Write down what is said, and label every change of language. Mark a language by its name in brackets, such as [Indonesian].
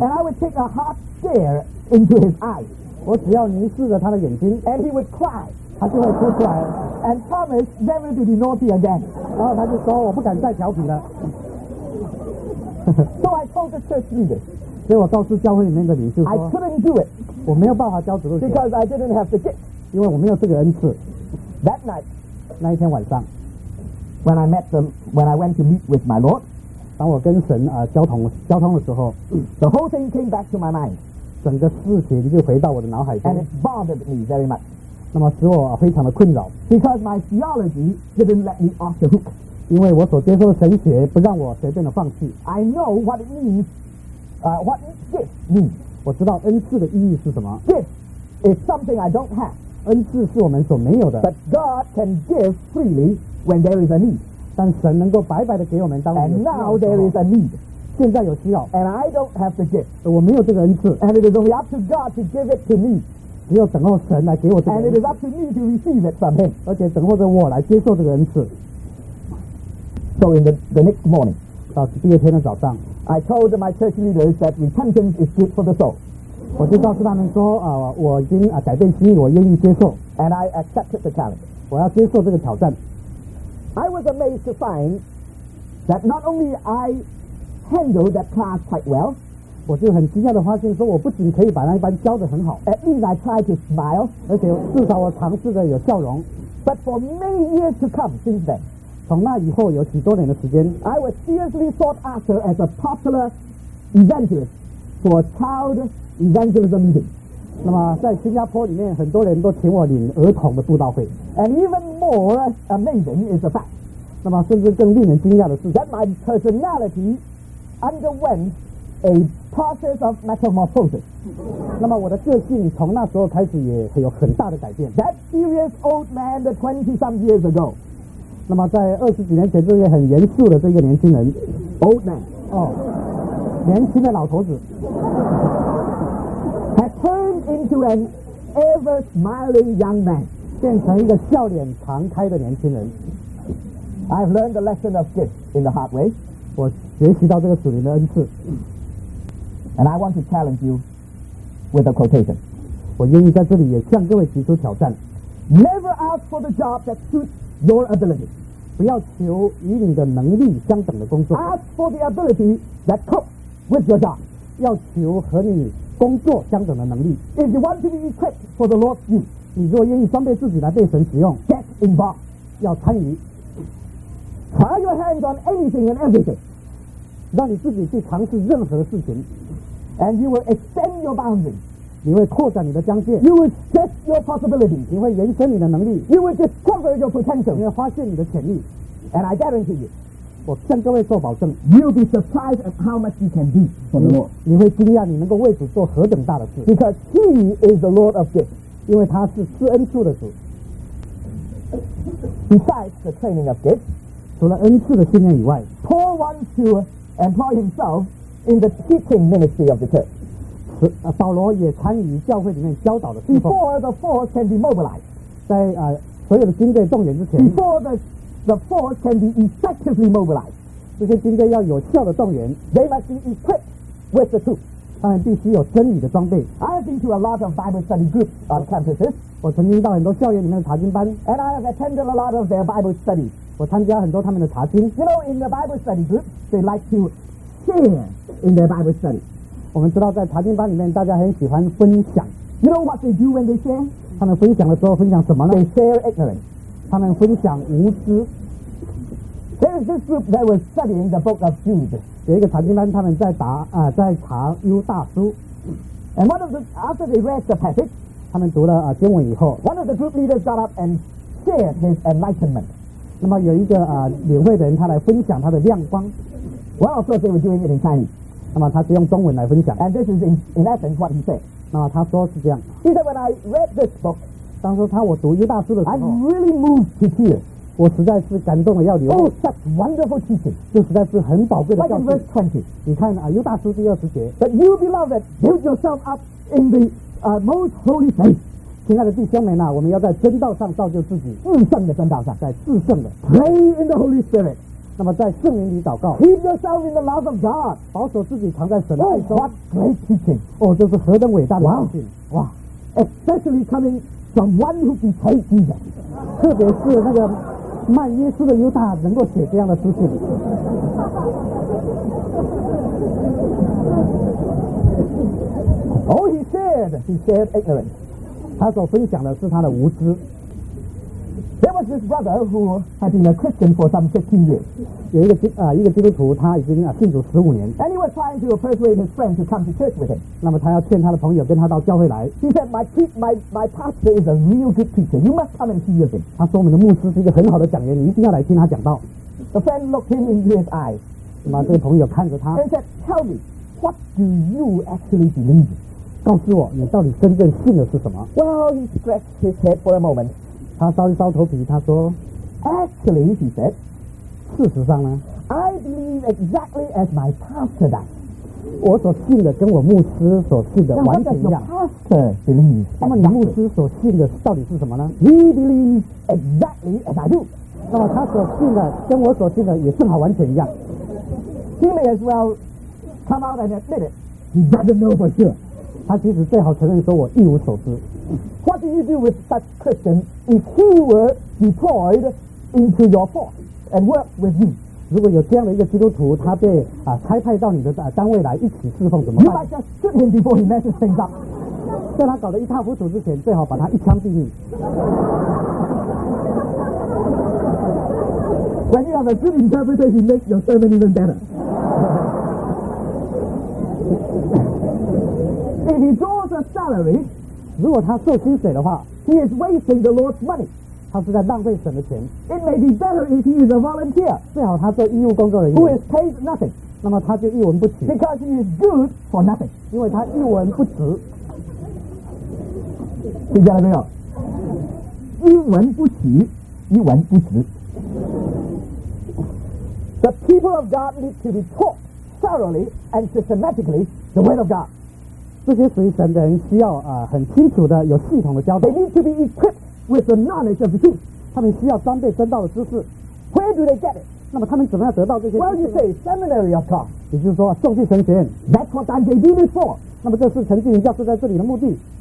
[English] And I would take a hard stare into his eyes [Chinese] 我只要凝视着他的眼睛 [English] And he would cry [Chinese] 他就会哭出来 [English] And promise never to be naughty again [Chinese] 然后他就说我不敢再调皮了 [English] So I told the church leader [Chinese] 所以我告诉教会里面的领袖说 [English] I couldn't do it [Chinese] 我没有办法教子路学 [English] Because I didn't have the gift [Chinese] 因为我没有这个恩赐 [English] That night [Chinese] 那一天晚上 [English] When I went to meet with my Lord [Chinese] 当我跟神、交通的时候 [English] The whole thing came back to my mind [Chinese] 整个事情就回到我的脑海中 [English] And it bothered me very much [Chinese] 那么使我非常的困扰 [English] Because my theology didn't let me off the hook [Chinese] 因为我所接受的神学不让我随便的放弃 [English] I know what it means、what gift means [Chinese] 我知道恩赐的意义是什么 [English] Gift is something I don't have [Chinese] 恩赐是我们所没有的 [English] But God can give freely when there is a need [Chinese] 但神能够白白的给我们当我们有需要的时候 [English] And now there is a need [Chinese] 现在有需要 [English] And I don't have the gift [Chinese] 我没有这个恩赐 [English] And it is only up to God to give it to me [Chinese] 只有等候神来给我这个恩赐 [English] And it is up to me to receive it from him [Chinese] 而且等候着我来接受这个恩赐 [English] So in the next morning [Chinese] 到第二天的早上 [English] I told my church leaders that repentance is good for the soul. [Chinese] 我就告诉他们说、我已经、改变心意，我愿意接受。 [English] And I accepted the challenge. [Chinese] 我要接受这个挑战。 [English] I was amazed to find that not only I handled that class quite well, [Chinese] 我就很惊讶地发现说我不仅可以把那一班教得很好。 [English] At least I tried to smile. [Chinese] 而且至少我尝试着有笑容。 [English] But for many years to come since then, [Chinese] 从那以后有许多年的时间 [English] I was seriously sought after as a popular evangelist for child evangelism meeting [Chinese] 那么在新加坡里面很多人都请我领儿童的布道会 [English] And even more amazing is the fact [Chinese] 那么甚至更令人惊讶的是 [English] That my personality underwent a process of metamorphosis [Chinese] 那么我的个性从那时候开始也有很大的改变 [English] That serious old man 20 some years ago [Chinese] 那么在二十几年前这个很严肃的这个年轻人 [English] Old man [Chinese] 哦年轻的老头子 [English] Has turned into an ever smiling young man [Chinese] 变成一个笑脸常开的年轻人 [English] I've learned the lesson of gifts in the hard way [Chinese] 我学习到这个属灵的恩赐 [English] And I want to challenge you with a quotation. [Chinese] 我愿意在这里也向各位提出挑战。 [English] Never ask for the job that suits your ability. [Chinese] 不要求与你的能力相等的工作。 [English] Ask for the ability that copes with your job. [Chinese] 要求和你工作相等的能力。 [English] If you want to be equipped for the Lord's use, [Chinese] 你若愿意装备自己来被神使用 [English] ，get involved. [Chinese] 要参与。 [English] Try your hands on anything and everything. [Chinese] 让你自己去尝试任何的事情。 [English] And you will extend your boundaries. [Chinese] 你会扩展你的疆界。 [English] You will stretch your possibilities. [Chinese] 你会延伸你的能力。 [English] You will discover your potential. [Chinese] 你会发现你的潜力。 [English] And I guarantee you, [Chinese] 我向各位做保证。 [English] You'll be surprised at how much you can be for the Lord. [Chinese] 你会惊讶你能够为主做何等大的事。 [English] Because He is the Lord of gifts. [Chinese] 因为他是施恩赐的主。 [English] Besides the training of gifts, [Chinese] 除了恩赐的训练以外 [English] ，Paul wants to employ himself in the teaching ministry of the church. [Chinese] 保罗也参与教会里面教导的侍奉。 [English] Before the force can be mobilized, [Chinese] 在所有的军队动员之前。 [English] Before the force can be effectively mobilized, [Chinese] 这些军队要有效的动员。 [English] They must be equipped with the truth, [Chinese] 他们必须有真理的装备。 [English] I have been to a lot of Bible study groups on campuses. [Chinese] 我曾经到很多校园里面的查经班。 [English] And I have attended a lot of their Bible studies. [Chinese] 我参加很多他们的查经。 [English] You know, in the Bible study group, they like to share in their Bible study. [Chinese] 我们知道在查经班里面大家很喜欢分享。 [English] You know what they do when they share? [Chinese] 他们分享的时候分享什么呢 [English] ?They share ignorance. [Chinese] 他们分享无知。 [English] There is this group that was studying the book of Jude. [Chinese] 有一个查经班他们在查犹大书。 [English] And one of the, after they read the passage, [Chinese] 他们读了经文以后 [English] ,one of the group leaders got up and shared his enlightenment. [Chinese] 那么有一个领会的人他来分享他的亮光。 [English] Well, of course they were doing it in Chinese. [Chinese] 那么他是用中文来分享。 [English] And this is in essence what he said. [Chinese] 那么他说是这样。 [English] He said when I read this book, [Chinese] 当时他我读犹大书的时候 [English] ，I'm really moved to tears. [Chinese] 我实在是感动的要流。 [English] Oh, such wonderful teaching. [Chinese] 就实在是很宝贵的教训。 [English] Like in verse 20, [Chinese] 你看犹大书第二十节。 [English] But you beloved, build yourself up in the most holy faith. [Chinese] 亲爱的弟兄们呐，我们要在真道上造就自己，至圣的真道上，在至圣的。 [English] Pray in the Holy Spirit. [Chinese] 那么在圣灵里祷告 [English] Keep yourself in the love of God [Chinese] 保守自己藏在神的爱中 [English] What great teaching [Chinese] 哦这是何等伟大的教训 [English] Especially coming from one who betrayed Jesus [Chinese] 特别是那个卖耶稣的犹大能够写这样的书信 [English] Oh he said ignorance [Chinese] 他所分享的是他的无知 [English] There was this brother who had been a Christian for some 15 years. [Chinese] 有一个基督徒他已经信主15年。 [English] And he was trying to persuade his friend to come to church with him. [Chinese] 那么他要劝他的朋友跟他到教会来。 [English] He said, my pastor is a real good teacher. You must come and see with him. [Chinese] 他说我们的牧师是一个很好的讲员，你一定要来听他讲道。 [English] The friend looked him into his eyes. [Chinese] 那么这个朋友看着他。 [English] And said, tell me, what do you actually believe? [Chinese] 告诉我你到底真正信的是什么。 [English] Well, he scratched his head for a moment. [Chinese] 他稍微烧头皮他说 [English] Actually, he said [Chinese] 事实上呢 [English] I believe exactly as my pastor does [Chinese] 我所信的跟我牧师所信的完全一样 [English] pastor believes [Chinese] 那么你牧师所信的到底是什么呢 [English] He believes exactly as I do [Chinese] 那么他所信的跟我所信的也正好完全一样 [English] He may as well come out and admit it He doesn't know for sure [Chinese] 他其实最好承认说我一无所知 [English] What do you do with such Christians if he were deployed into your force and work with you? [Chinese] 如果有这样的一个基督徒他被差派到你的单位来一起侍奉怎么办 [English] You might just shoot him before he messes things up [Chinese] 在他搞得一塌糊涂之前最好把他一枪毙命 [English] When you have a good interpreter he makes your sermon even better If he draws a salary, [Chinese] 如果他受薪水的话 [English] he is wasting the Lord's money. [Chinese] 他是在浪费神的钱。 [English] It may be better if he is a volunteer. [Chinese] 最好他做义务工作人员。 [English] Who is paid nothing. [Chinese] 那么他就一文不值。 [English] Because he is good for nothing. [Chinese] 因为他一文不值。听见了没有？一文不值，一文不值。 [English] The people of God need to be taught thoroughly and systematically the word of God. [Chinese] 这些属于神的人需要很清楚的有系统的教导 [English] They need to be equipped with the knowledge of the truth [Chinese] 他们需要装备真道的知识 [English] Where do they get it? [Chinese] 那么他们怎么样得到这些？ [English] Well, you say seminary of God. [Chinese] 也就是说，圣经神学院。 [English] That's what Dante did it for. [Chinese] 那么这是陈静教授在这里的目的。